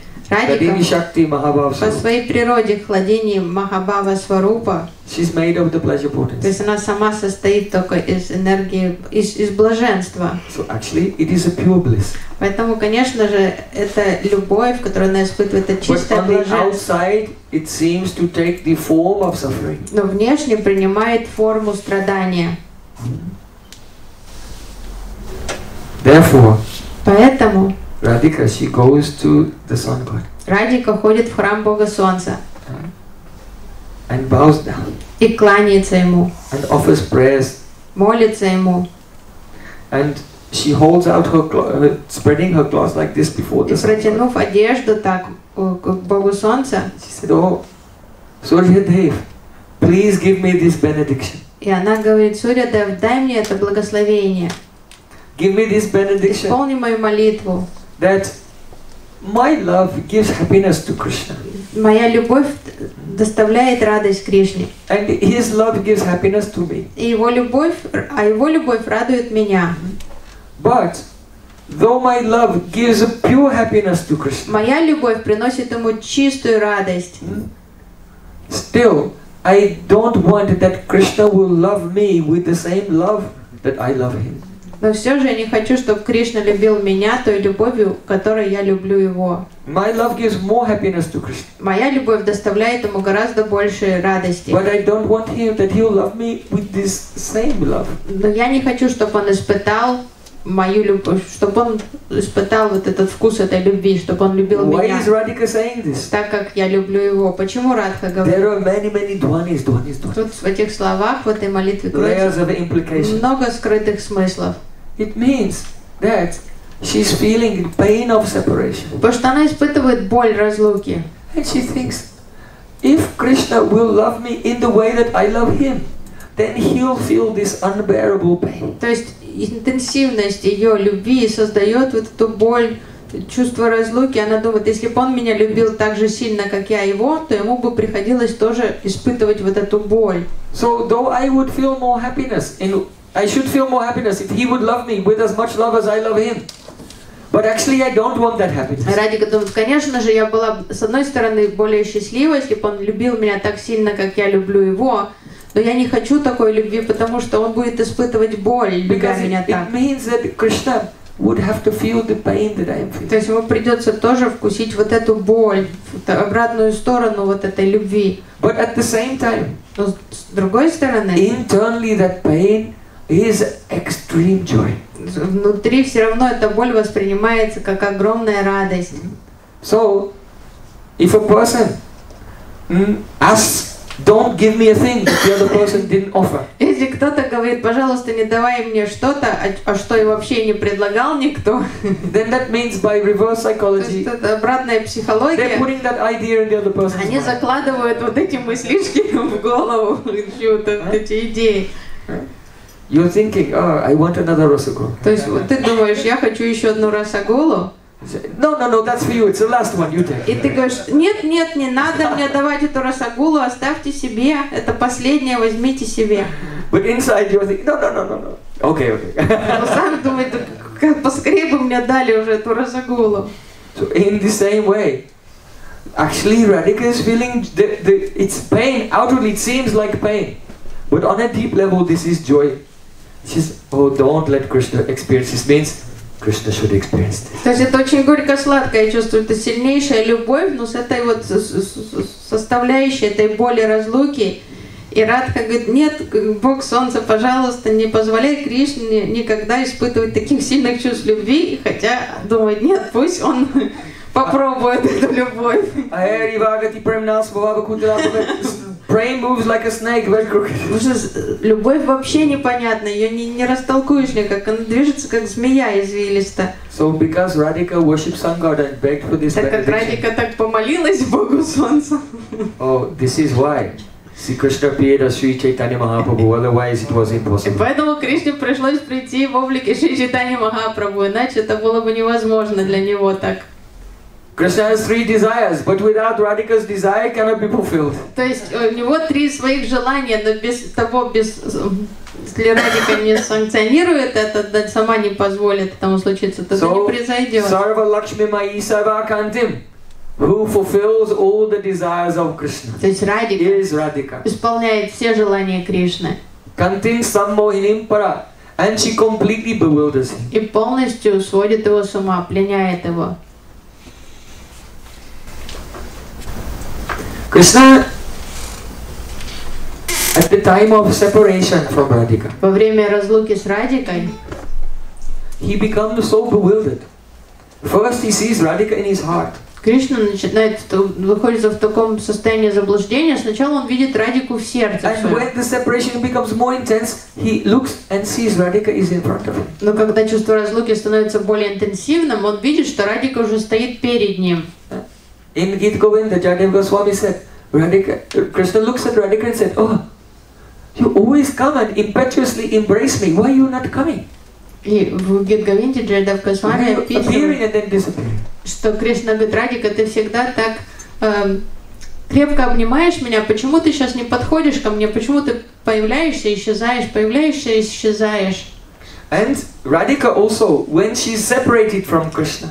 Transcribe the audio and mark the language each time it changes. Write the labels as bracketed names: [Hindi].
[Russian] Радика по своей природе хладини Махабава Сварупа. [English] She's made of the pleasure potency. [Russian] То есть она сама состоит только из энергии, из блаженства. [English] So actually, it is a pure bliss. [Russian] Поэтому, конечно же, это любовь, которую она испытывает, это чистое блаженство. [English] But on the outside, it seems to take the form of suffering. [Russian] Но внешне принимает форму страдания. [English] Therefore. [Russian] Поэтому. [English] Radhika, she goes to the sun god. [Russian] Радика ходит в храм Бога Солнца. [English] And bows down. [Russian] И кланяется ему. [English] And offers prayers. [Russian] Молится ему. [English] And she holds out her spreading her cloth like this before the sun. [Russian] И протянув одежду так к Богу Солнца. [English] She said, "Oh, Surya Dev, please give me this benediction." [Russian] И она говорит: "Сурья Дев, дай мне это благословение." [English] Give me this benediction. [Russian] Исполни мою молитву. [English] That my love gives happiness to Krishna. [Russian] Моя любовь доставляет радость Кришне. [English] And his love gives happiness to me. [Russian] И его любовь радует меня. [English] But though my love gives pure happiness to Krishna. [Russian] Моя любовь приносит ему чистую радость. [English] Still, I don't want that Krishna will love me with the same love that I love him. [Russian] Но все же я не хочу, чтобы Кришна любил меня той любовью, которой я люблю его. [English] My love gives more happiness to Krishna. [Russian] Моя любовь доставляет ему гораздо больше радости. [English] But I don't want him that he'll love me with this same love. [Russian] Но я не хочу, чтобы он испытал мою любовь, чтобы он испытал вот этот вкус этой любви, чтобы он любил [English] Why [Russian] меня. [English] Why is Radhika saying this? [Russian] Так как я люблю его. Почему Радха говорит? [English] There are many, many dvanis, dvanis, dvanis. [Russian] Тут в этих словах, в этой молитве говорится много скрытых смыслов. [English] It means that she's feeling pain of separation. [Russian] Потому что она испытывает боль разлуки. [English] And she thinks, if Krishna will love me in the way that I love him, then he'll feel this unbearable pain. [Russian] То есть интенсивность ее любви создает вот эту боль, чувство разлуки. Она думает, если бы он меня любил так же сильно, как я его, то ему бы приходилось тоже испытывать вот эту боль. [English] So though I would feel more happiness, and I should feel more happiness if he would love me with as much love as I love him. But actually, I don't want that happiness. [Russian] Радика думает, конечно же, я была бы, с одной стороны, более счастлива, если бы он любил меня так сильно, как я люблю его. Но я не хочу такой любви, потому что он будет испытывать боль, любя меня так. [English] It means that Krishna would have to feel the pain that I am feeling. [Russian] То есть ему придется тоже вкусить вот эту боль, обратную сторону вот этой любви. [English] But at the same time, [Russian] но с другой стороны, [English] internally that pain is extreme joy. [Russian] Внутри все равно эта боль воспринимается как огромная радость. [English] So, if a person asks Don't give me a thing that the other person didn't offer. [Russian] Если кто-то говорит, пожалуйста, не давай мне что-то, а что и вообще не предлагал никто. [English] Then that means by reverse psychology. [Russian] То есть это обратная психология. [English] They're putting that idea in the other person's mind. [Russian] Они закладывают вот эти мыслишки в голову, чью-то эти идеи. [English] You're thinking, oh, I want another rasagolu. [Russian] То есть вот ты думаешь, я хочу еще одну rasagolu. [English] No, that's for you. It's the last one. You take. [Russian] И ты говоришь, нет, не надо мне давать эту rasagolu. Оставьте себе, это последнее, возьмите себе. [English] But inside you're thinking, no. Okay. [Russian] Но сам думает, как поскорее бы мне дали уже эту rasagolu. [English] So in the same way, actually, Radhika is feeling the it's pain. Outwardly, it seems like pain. But on a deep level, this is joy. She says, oh, don't let Krishna experience this. Means Krishna should experience this. [Russian] То есть это очень горько-сладкое чувство, это сильнейшая любовь, но с этой вот составляющей, этой боли разлуки. И Радха говорит, нет, Бог Солнца, пожалуйста, не позволяй Кришне никогда испытывать таких сильных чувств любви, хотя думает, нет, пусть он... Попробует эту любовь. [English] Ahari Bhagati Premnas Bhava Kutra. Brain moves like a snake, very crooked. [Russian] Любовь вообще непонятна, ее не растолкуешь никак. Она движется как змея извилиста. [English] So because Radhika worships Sun God and begged for this benediction. [Russian] Так как Радика так помолилась Богу Солнца. [English] Oh, this is why. See, Krishna appeared as Sri Chaitanya Mahaprabhu, otherwise it was impossible. [Russian] Поэтому Кришне пришлось прийти в облике Шри Чайтанья Махапрабху, иначе это было бы невозможно для него так. [English] Krishna has three desires, but without Radhika's desire, cannot be fulfilled. [Russian] То есть у него три своих желания, но без того, без если Радика не санкционирует это, да сама не позволит этому случиться, то не произойдет. [English] So, Sarva Lakshmi Mai Sarva Kantim, who fulfills all the desires of Krishna, [Russian] то есть Радика [English] is Radhika. [Russian] Исполняет все желания Кришны. [English] Kantim Sammohinim Para, and she completely bewilders him. [Russian] И полностью сводит его с ума, пленяет его. [English] Krishna, at the time of separation from Radhika, [Russian] во время разлуки с Радикой, [English] he becomes so bewildered. First, he sees Radhika in his heart. [Russian] Кришна начинает выходить в таком состоянии заблуждения. Сначала он видит Радику в сердце. [English] And when the separation becomes more intense, he looks and sees Radhika is in front of him. [Russian] Но когда чувство разлуки становится более интенсивным, он видит, что Радика уже стоит перед ним. [English] In Gita Govinda, Jagannath Goswami said, Radhika, Krishna looks at Radhika and said, oh, you always come and impetuously embrace me. Why are you not coming? [Russian] И в Гит Говинде Джаганнатх Госвами описывает, что Кришна говорит, Радика, ты всегда так крепко обнимаешь меня, почему ты сейчас не подходишь ко мне, почему ты появляешься и исчезаешь? [English] And Radhika also, when she's separated from Krishna.